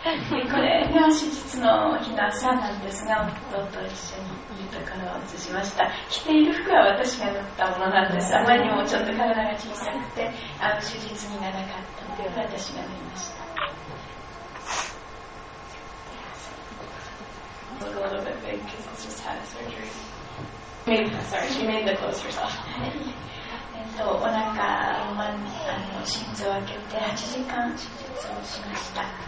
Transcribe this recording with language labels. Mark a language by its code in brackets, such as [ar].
[ja] これが手術の日の朝なんですが、夫と一緒にいるところを映しました。着ている服は私が縫ったものなんです。あまりにもちょっと体が小さくて手術着がなかったので私が縫いました。 [en] It's a little bit big because it's just had a surgery. She made the clothes herself. [ja] お腹を真ん中に心臓を開けて8時間手術をしました。